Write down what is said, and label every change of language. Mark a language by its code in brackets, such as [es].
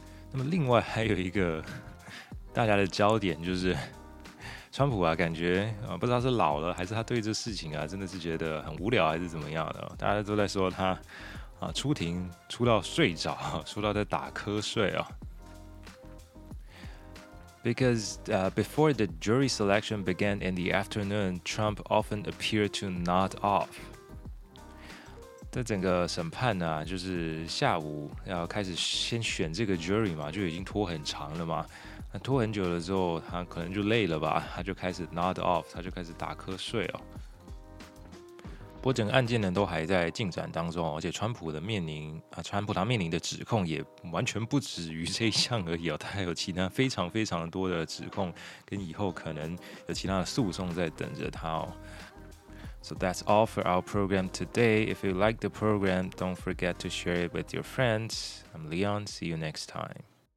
[zh] 那么另外还有一个大家的焦点就是，川普啊，感觉不知道是老了，还是他对这事情啊，真的是觉得很无聊，还是怎么样的？大家都在说他啊，出庭出到睡着，出到在打瞌睡啊。 [en] Because before the jury selection began in the afternoon, Trump often appeared to nod off. [zh] 在整个审判呢、啊，就是下午要开始先选这个 jury 嘛，就已经拖很长了嘛。拖很久了之后，他可能就累了吧，他就开始 [en] nod off， [zh] 他就开始打瞌睡哦。不过整个案件呢都还在进展当中，而且川普他面临的指控也完全不止于这一项而已哦，他还有其他非常非常多的指控，跟以后可能有其他的诉讼在等着他哦。 [en] So that's all for our program today. If you like the program, don't forget to share it with your friends. I'm Leon. See you next time.